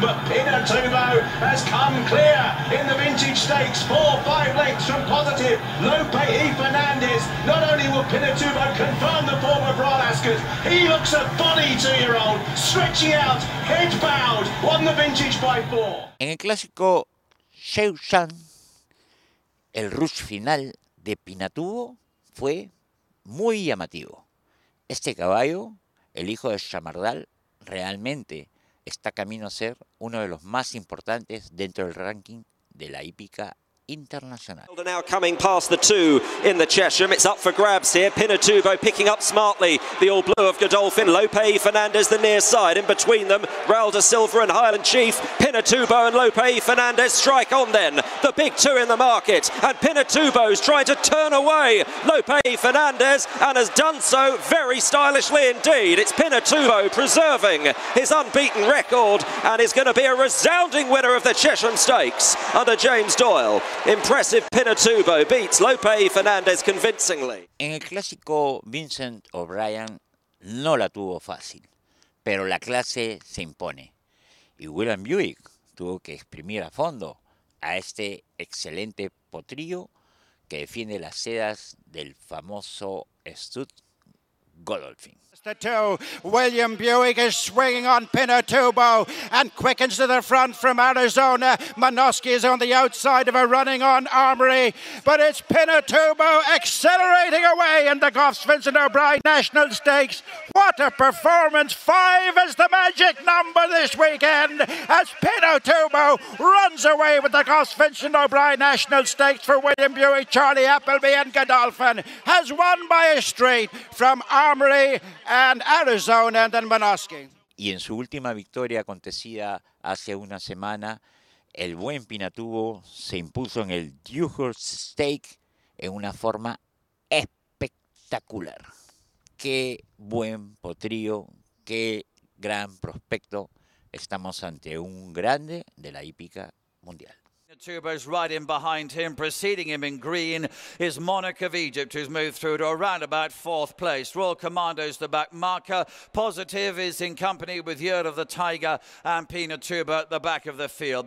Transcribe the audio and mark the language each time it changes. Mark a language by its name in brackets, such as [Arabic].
[English] But Pinatubo has come clear in the Vintage Stakes. 4-5 lengths from positive, Lope E. Fernandez. Not only will Pinatubo confirm the form of Ron Askers, he looks a 42-year-old, stretching out, head bowed, won the Vintage by 4. [Spanish] En el clásico Shewshan, el rush final de Pinatubo fue muy llamativo. Este caballo, el hijo de Yamardal, realmente está camino a ser uno de los más importantes dentro del ranking de la hípica internacional. [English] Now coming past the two in the Chesham, it's up for grabs here. Pinatubo picking up smartly the all blue of Godolphin. Lope E. Fernandez the near side. In between them, Raul de Silva and Highland Chief. Pinatubo and Lope E. Fernandez strike on then. The big two in the market. And Pinatubo's trying to turn away Lope E. Fernandez and has done so very stylishly indeed. It's Pinatubo preserving his unbeaten record and is going to be a resounding winner of the Chesham Stakes under James Doyle. Impressive Pinatubo beats Lope E. Fernandez convincingly. [Spanish] En el clásico Vincent O'Brien no la tuvo fácil, pero la clase se impone. Y William Buick tuvo que exprimir a fondo a este excelente potrillo que defiende las sedas del famoso Stud Godolphin. [English] The two, William Buick is swinging on Pinatubo and quickens to the front from Arizona. Manoski is on the outside of a running on Armory, but it's Pinatubo accelerating away in the Goffs Vincent O'Brien National Stakes. What a performance! Five is the magic number this weekend as Pinatubo runs away with the Goffs Vincent O'Brien National Stakes for William Buick, Charlie Appleby and Godolphin has won by a straight from Armory and Arizona and then Manoski. [Spanish] Y en su última victoria acontecida hace una semana, el buen Pinatubo se impuso en el Dewhurst Stakes en una forma espectacular. Qué buen potrillo, qué gran prospecto. Estamos ante un grande de la hípica mundial. [English] Tubo's right in behind him. Preceding him in green is Monarch of Egypt, who's moved through to around about fourth place. Royal Commando's the back marker. Positive is in company with Year of the Tiger and Pinatubo at the back of the field.